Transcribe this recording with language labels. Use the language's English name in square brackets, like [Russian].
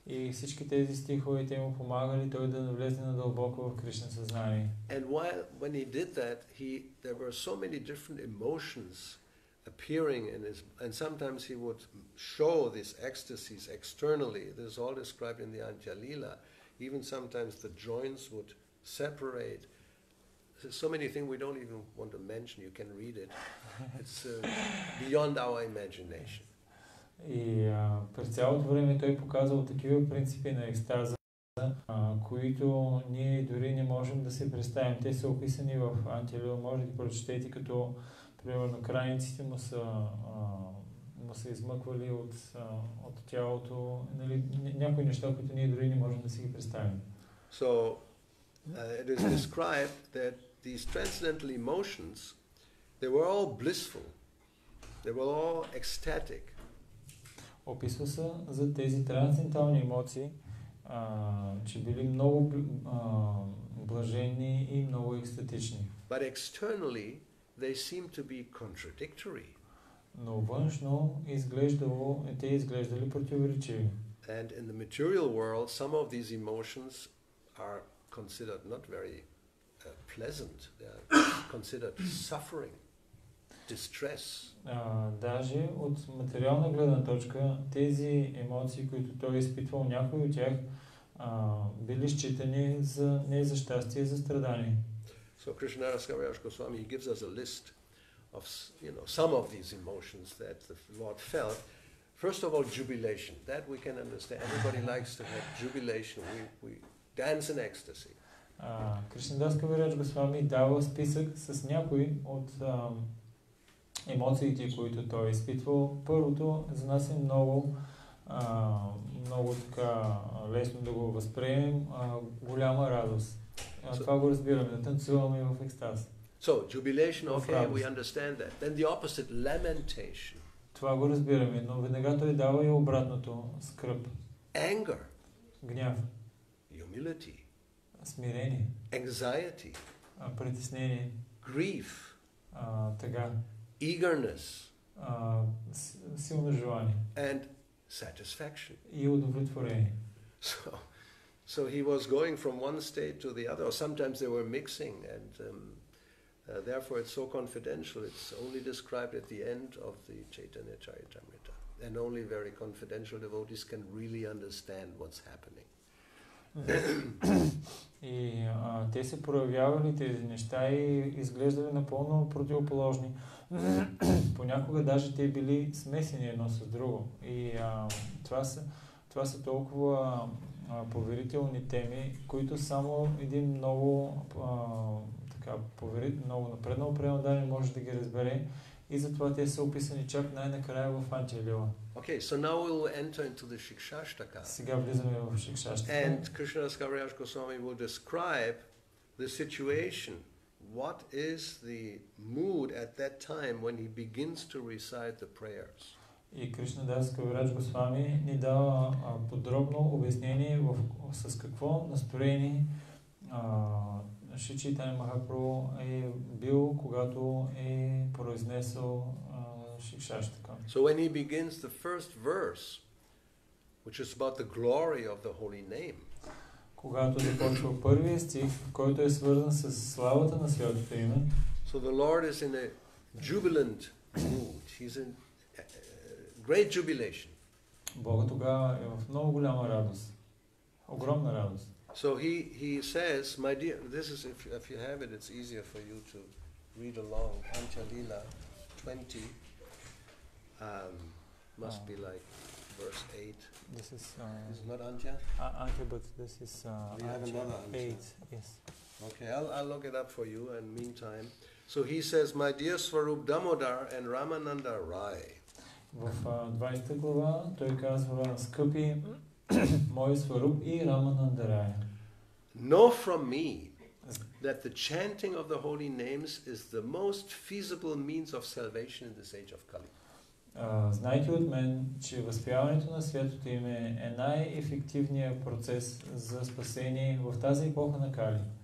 [Bulgarian] И всички тези стихове те му помагали той да навлезе на дълбоко в Кришна съзнание. [English] And while when he did that, there were so many different emotions appearing in his, and sometimes he would show these ecstasies externally. This is all described in the Antyalila. Even sometimes the joints would separate. So many things we don't even want to mention. You can read it. It's beyond our imagination. [Bulgarian] И през цялото време той показвал такива принципи на екстаза, които ние дори не можем да се представим. Те са описани в Антилео, може да прочетете, като примерно крайниците му са измъквали от тялото, нали, някои неща, които ние дори не можем да си ги представим. [English] So it is described that these transcendental emotions, they were all blissful. They were all ecstatic. [Bulgarian] Описва се за тези трансцендентални емоции, че били много блажени и много екстатични. [English] But externally they seem to be contradictory. [Bulgarian] Но външно изглеждало, те изглеждали противоречиви. [English] And in the material world some of these emotions are considered not very pleasant. They are considered suffering, distress. [Bulgarian] Даже от материална гледна точка тези емоции, които той изпитвал, някои от тях били считани за не за щастие, за страдание. [English] So Krishna Das Kaviraj Goswami gives us a list of, you know, some of these emotions that the Lord felt. First of all, jubilation. That we can understand. Everybody likes to have jubilation. We dance in ecstasy. [Bulgarian] Krishna Das Kaviraj Goswami дава списък с някои от емоциите, които той изпитвал. Първото за нас е много много така лесно да го възприемем, голяма радост. Това го разбираме, да танцуваме в екстаз. [English] So, jubilation, okay, we understand that. Then the opposite, lamentation. [Bulgarian] Това го разбираме, но веднага той дава и обратното, скръб. [English] Anger. [Bulgarian] Гняв. [English] Humility. [Bulgarian] Смирение. [English] Anxiety. [Bulgarian] Притеснение. [English] Grief. [Bulgarian] Тъга. [English] Eagerness. [Bulgarian] Силно желание. [English] And satisfaction. [Bulgarian] И удовлетворение. [English] So he was going from one state to the other, or sometimes they were mixing, and therefore it's so confidential, it's only described at the end of the Chaitanya Charitamrita. And only very confidential devotees can really understand what's happening. [Bulgarian] И те се проявявали тези неща и изглеждали напълно противоположни. Понякога даже те били смесени едно с друго. И това са толкова поверителни теми, които само един много така много напреднал преподаване може да ги разбере, и затова те са описани чак най-накрая в Анчалила. [English] Okay, so now we'll enter into the Shikshashtaka. [Bulgarian] Сега влизаме в Шикшаштака. [English] And Krishna Das Kaviraj Goswami will describe the situation. What is the mood at that time when he begins to recite the prayers? [Bulgarian] И Кришна Дас Кавирадж Госвами ни дава подробно обяснение с какво настроение Шри Чайтанья Махапрабху е бил, когато е произнесъл Шикшаштака. [English] So when he begins the first verse, which is about the glory of the holy name. [Bulgarian] Когато започва първия стих, който е свързан с славата на Святото име. [English] So the Lord is in a jubilant mood. He's in great jubilation. [Bulgarian] Бог тогава е в много голяма радост. Огромна радост. [English] So he says, my dear, this is, if you have it, it's easier for you to read along. Anchalila 20 must be like verse 8. This is not Antya? Antya, but this is Anchalila 8. Yes. Okay, I'll look it up for you in meantime. So he says, my dear Swarup Damodar and Ramananda Rai. [Bulgarian] В 20 глава той казва, скъпи мой Сваруп и Рамананда Рай. [English] Know from me that the chanting of the holy names is the most feasible means of salvation in this age of Kali. [Bulgarian] Знайте от мен, че възпяването на Святото име е най-ефективният процес за спасение в тази епоха на Кали.